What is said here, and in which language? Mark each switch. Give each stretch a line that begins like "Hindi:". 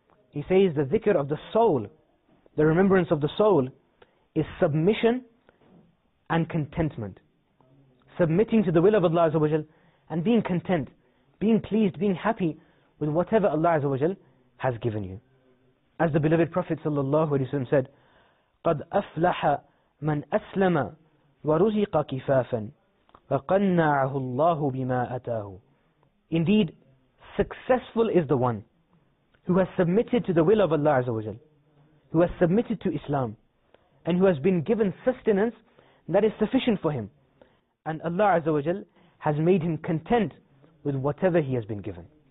English: He says the dhikr of the soul, the remembrance of the soul, is submission and contentment. Submitting to the will of Allah Azza wa Jal and being content, being pleased, being happy with whatever Allah Azza wa Jal has given you. As the beloved Prophet sallallahu alaihi wasallam said,
Arabic: قَدْ أَفْلَحَ مَنْ أَسْلَمَ وَرُزِقَ كِفَافًا وَقَنَّعَهُ اللَّهُ بِمَا أَتَاهُ.
English: Indeed, successful is the one who has submitted to the will of Allah Azza wa Jal, who has submitted to Islam, and who has been given sustenance that is sufficient for him. And Allah Azza wa Jal has made him content with whatever he has been given.